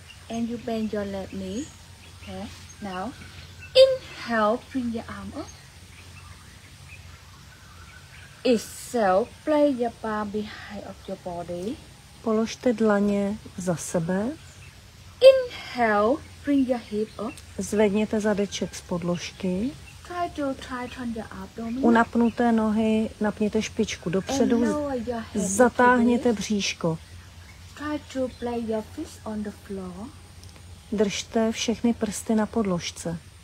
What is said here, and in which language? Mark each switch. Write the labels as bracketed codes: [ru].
[en] And you bend your left knee. Okay. Now inhale, bring your arm up. Exhale, place your palm behind of your body. [cs] Položte dlaně za sebe. [en] Inhale, bring your hip up. [cs] Zvedněte zadeček z podložky. [en] Try to tighten your abdomen. [cs] U napnuté nohy napněte špičku dopředu, zatáhněte bříško. [en] Try to play your fist on the floor. [cs] Držte všechny prsty na podložce.